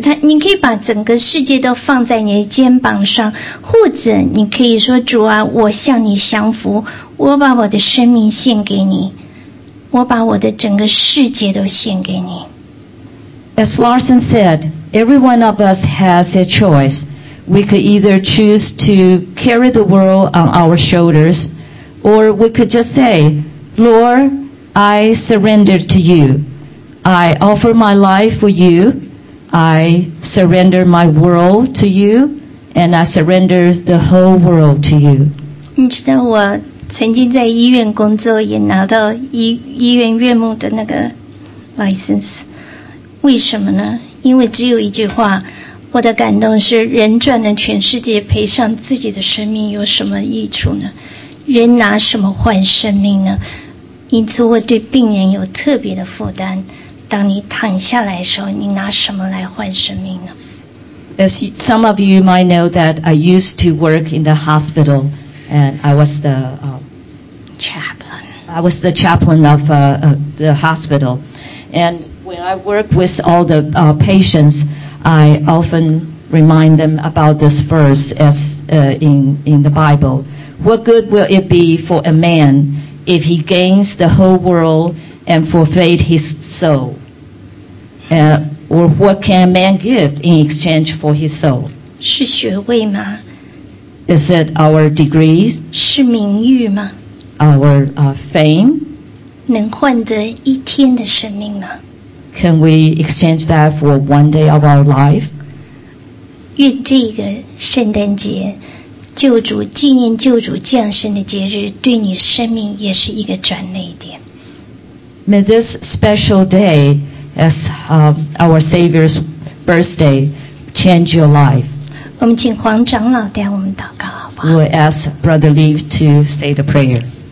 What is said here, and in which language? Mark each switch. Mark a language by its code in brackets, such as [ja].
[zh] 他，你可以把整个世界都放在你的肩膀上，或者你可以说，主啊，我向你降服，我把我的生命献给你，我把我的整个世界都献给你。 [en] As Larson said, every one of us has a choice. We could either choose to carry the world on our shoulders, or we could just say, Lord, I surrender to you. I offer my life for you. I surrender my world to you, and I surrender the whole world to you. [zh] 你知道我曾经在医院工作，也拿到医院院牧的那个 license。为什么呢？因为只有一句话，我的感动是：人赚了全世界，赔上自己的生命有什么益处呢？人拿什么换生命呢？因此，我对病人有特别的负担。当你躺下来的时候，你拿什么来换生命呢 [en] ？As some of you might know that I used to work in the hospital, and I was the chaplain. I was the chaplain of the hospital, and when I work with all the patients, I often remind them about this verse as in the Bible. What good will it be for a man if he gains the whole world and forfeit his soul? Or what can a man give in exchange for his soul? [zh] 是学位吗? [en] Is it our degrees? [zh] 是名誉吗? [en] Our fame? [zh] 能换得一天的生命吗? [en] Can we exchange that for one day of our life? [zh] 愿这个圣诞节救主纪念救主降生的节日对你生命也是一个转捩点。 [en] May this special day as our Savior's birthday change your life. [zh] 我们请黄长老带我们祷告好不好? [en] We'll ask Brother Lee to say the prayer.